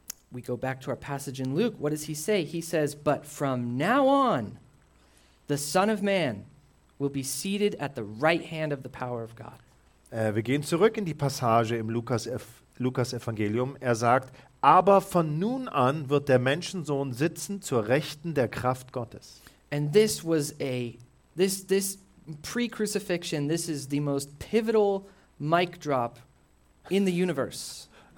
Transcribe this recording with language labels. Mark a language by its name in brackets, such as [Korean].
[English] We go back to our passage in Luke. What does he say? He says, but from now on, the Son of Man will be seated at the right hand of the power of God. [German] Wir gehen zurück in die Passage im Lukas-Evangelium. Er sagt, aber von nun an wird der Menschensohn sitzen zur Rechten der Kraft Gottes. [English] And this was this pre-crucifixion, this is the most pivotal mic drop in the universe.